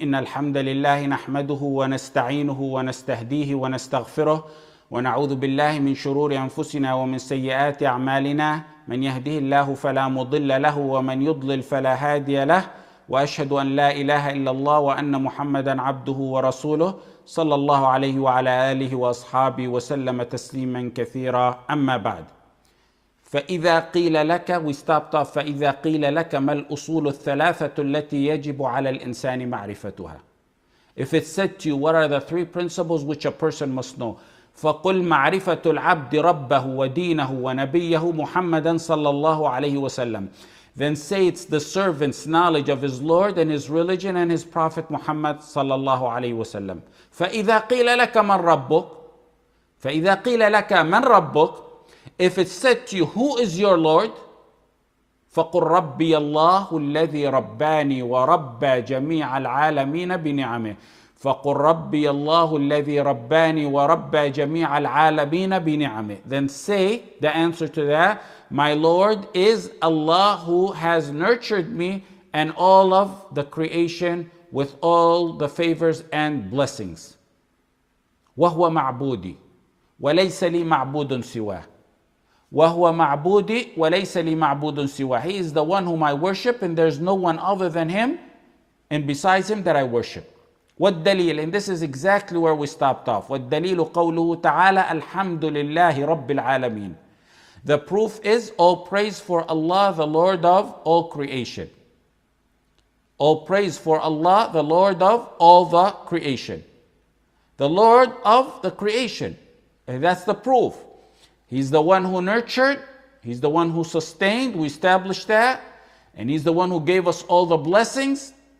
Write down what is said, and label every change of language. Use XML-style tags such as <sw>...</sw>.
<ar>إن الحمد لله نحمده ونستعينه ونستهديه ونستغفره ونعوذ بالله من شرور أنفسنا ومن سيئات أعمالنا، من يهده الله فلا مضل له ومن يضلل فلا هادي له، وأشهد أن لا إله إلا الله وأن محمدا عبده ورسوله صلى الله عليه وعلى آله وأصحابه وسلم تسليما كثيرا، أما بعد. فإذا قيل لك فإذا قيل لك ما الأصول الثلاثة التي يجب على الإنسان معرفتها؟</ar> <en>If it's said to you, what are the three principles which a person must know?</en> <ar>فقل معرفة العبد ربه ودينه ونبيه محمدا صلى الله عليه وسلم.</ar> <en>Then say it's the servant's knowledge of his Lord and his religion and his prophet Muhammad</en> <ar>صلى الله عليه وسلم. فإذا قيل لك من ربك؟ فإذا قيل لك من ربك؟</ar> <en>If it's said to you, who is your Lord?</en> <ar>فَقُلْ رَبِّيَ اللَّهُ الَّذِي رَبَّانِي وَرَبَّى جَمِيعَ الْعَالَمِينَ بِنِعَمِهِ</ar> <en>فَقُلْ رَبِّيَ اللَّهُ الَّذِي رَبَّانِي وَرَبَّى جَمِيعَ الْعَالَمِينَ بِنِعَمِهِ Then say the answer to that, my Lord is Allah who has nurtured me and all of the creation with all the favors and blessings.</en> <ar>وَهُوَ مَعْبُودِي وَلَيْسَ لِي مَعْبُودٌ سِوَاهُ وهو معبودي وليس لي معبود سواه.</ar> <en>He is the one whom I worship and there's no one other than him and besides him that I worship.</en> <ar>والدليل,</ar> <en>and this is exactly where we stopped off.</en> <ar>والدليل قوله تعالى الحمد لله رب العالمين.</ar> <en>The proof is all praise for Allah, the Lord of all creation. All praise for Allah, the Lord of all the creation. The Lord of the creation. And that's the proof. He's the one who nurtured, he's the one who sustained, we established that, and he's the one who gave us all the blessings.</en>